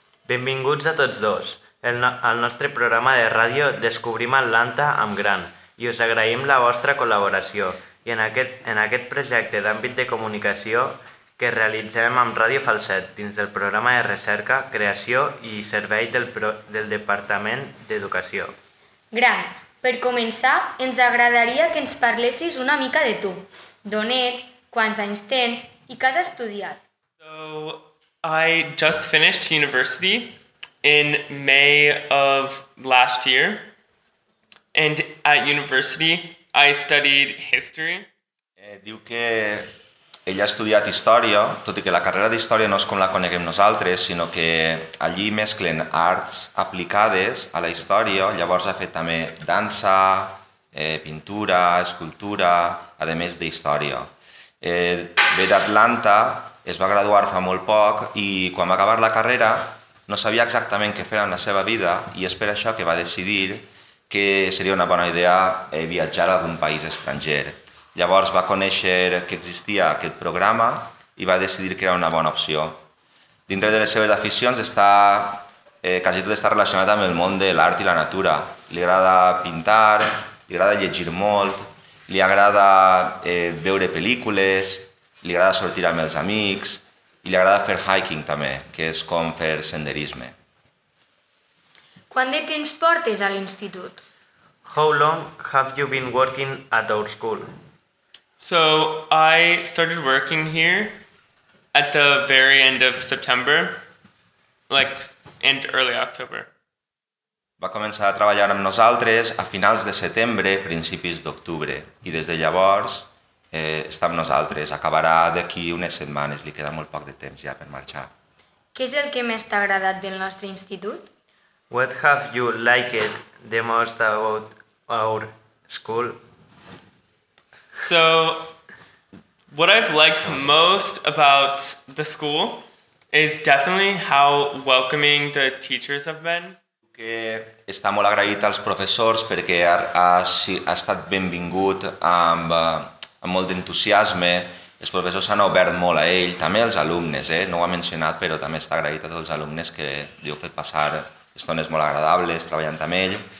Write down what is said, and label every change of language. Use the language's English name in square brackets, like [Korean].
[Catalan] Benvinguts a tots dos al nostre programa de ràdio Descobrim Atlanta amb gran, i us agraïm la vostra col·laboració i en aquest projecte d'àmbit de comunicació que realitzem amb Ràdio Falset dins del programa de recerca, creació i servei del Departament d'Educació. Gran, per començar, ens agradaria que ens parlessis una mica de tu. D'on ets, quants anys tens i què has estudiat? [English] So, I just finished university in May of last year. And at university, I studied history. [Catalan] Diu que ella ha estudiat història, tot i que la carrera d'història no és com la coneguem nosaltres, sinó que allí mesclen arts aplicades a la història, llavors ha fet també dansa, pintura, escultura, a més d'història. Ve d'Atlanta, es va graduar fa molt poc i quan va acabar la carrera no sabia exactament què fer amb la seva vida i és per això que va decidir que seria una bona idea viatjar a algun país estranger. Llavors va conèixer que existia aquest programa i va decidir que era una bona opció. Dintre de les seves aficions està, quasi tot està relacionat amb el món de l'art i la natura. Li agrada pintar, li agrada llegir molt, li agrada veure pel·lícules, li agrada sortir amb els amics i li agrada fer hiking també, que és com fer senderisme. Quant de temps portes a l'institut? [English] How long have you been working at our school? So, I started working here at the very end of September, like in early October. [Catalan] Va començar a treballar amb nosaltres a finals de setembre, principis d'octubre, i des de llavors està amb nosaltres. Acabarà d'aquí unes setmanes, li queda molt poc de temps ja per marxar. Què és el que més t'ha agradat del nostre institut? [English] What have you liked the most about our school? So, what I've liked most about the school is definitely how welcoming the teachers have been. [Catalan] Que està molt agraït als professors perquè ha estat benvingut amb molt d'entusiasme Els professors s'han obert molt a ell, també els alumnes, eh? No ho ha mencionat, però també està agraït a tots els alumnes que li heu fet passar estones molt agradables treballant amb ell.